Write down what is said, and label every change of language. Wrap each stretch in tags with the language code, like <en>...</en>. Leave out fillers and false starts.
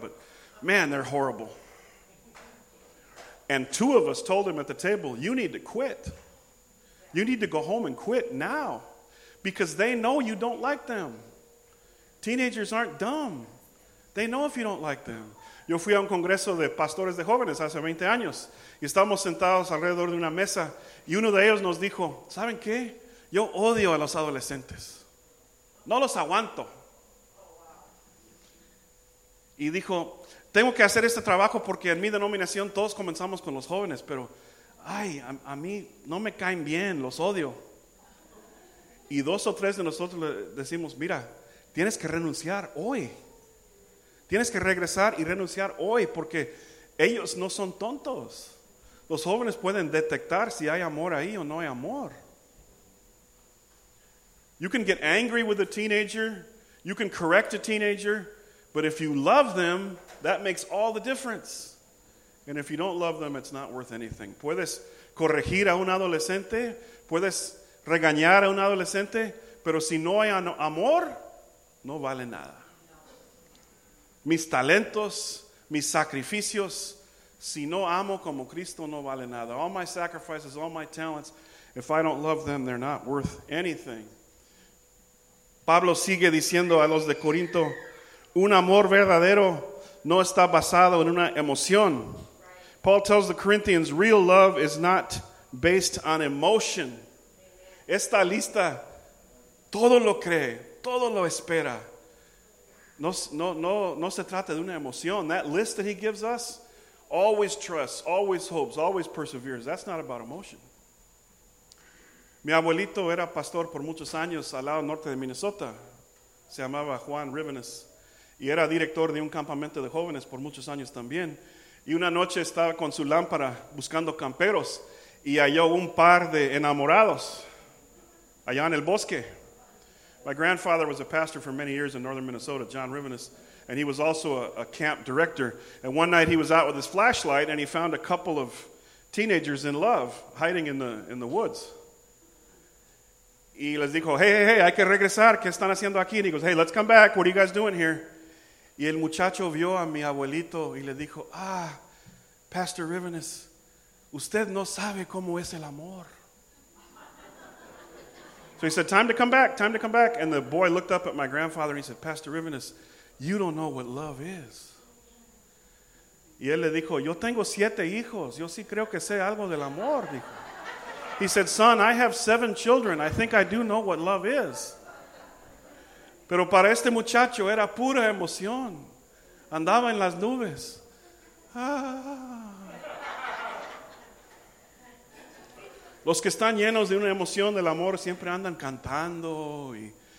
<en>But man, they're horrible. And two of us told him at the table, you need to quit. You need to go home and quit now because they know you don't like them. Teenagers aren't dumb. They know if you don't like them.</en> <es>Yo fui a un congreso de pastores de jóvenes hace 20 años. Y estábamos sentados alrededor de una mesa. Y uno de ellos nos dijo, ¿saben qué? Yo odio a los adolescentes. No los aguanto. Y dijo, tengo que hacer este trabajo porque en mi denominación todos comenzamos con los jóvenes. Pero, ay, a mí no me caen bien, los odio. Y dos o tres de nosotros le decimos, mira, tienes que renunciar hoy. Tienes que regresar y renunciar hoy porque ellos no son tontos. Los jóvenes pueden detectar si hay amor ahí o no hay amor.</es> <en>You can get angry with a teenager. You can correct a teenager. But if you love them, that makes all the difference. And if you don't love them, it's not worth anything.</en> <es>Puedes corregir a un adolescente. Puedes regañar a un adolescente. Pero si no hay amor, no vale nada. Mis talentos, mis sacrificios, si no amo como Cristo, no vale nada.</es> <en>All my sacrifices, all my talents, if I don't love them, they're not worth anything.</en> <es>Pablo sigue diciendo a los de Corinto, un amor verdadero no está basado en una emoción.</es> <en>Paul tells the Corinthians, real love is not based on emotion.</en> <es>Esta lista, todo lo cree. Todo lo espera. No se trata de una emoción.</es> <en>That list that he gives us, always trusts, always hopes, always perseveres. That's not about emotion.</en> <es>Mi abuelito era pastor por muchos años al lado norte de Minnesota. Se llamaba Juan Rivenes. Y era director de un campamento de jóvenes por muchos años también. Y una noche estaba con su lámpara buscando camperos. Y halló un par de enamorados allá en el bosque.</es> <en>My grandfather was a pastor for many years in northern Minnesota, John Rivenes, and he was also a camp director. And one night he was out with his flashlight and he found a couple of teenagers in love hiding in the woods.</en> <es>Y les dijo, hey, hey, hey, hay que regresar, ¿qué están haciendo aquí?</es> <en>And he goes, hey, let's come back, what are you guys doing here?</en> <es>Y el muchacho vio a mi abuelito y le dijo, ah, Pastor Rivenes, usted no sabe cómo es el amor.</es> <en>So he said, time to come back, time to come back. And the boy looked up at my grandfather and he said, Pastor Rivenes, you don't know what love is.</en> <es>Y él le dijo, yo tengo siete hijos. Yo sí creo que sé algo del amor. Dijo.</es> <en>He said, son, I have seven children. I think I do know what love is.</en> <es>Pero para este muchacho era pura emoción. Andaba en las nubes. Ah. Los que están llenos de una emoción del amor siempre andan cantando y</es>